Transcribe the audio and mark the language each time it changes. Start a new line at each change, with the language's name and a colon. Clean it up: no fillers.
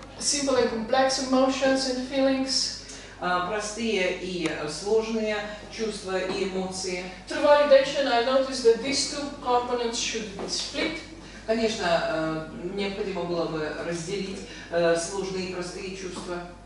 English: Simple and complex emotions and feelings.
Russian: Простые и сложные чувства и эмоции.
English: Through validation, I noticed that these two components should be split.
Russian: Конечно, необходимо было бы разделить сложные и простые чувства.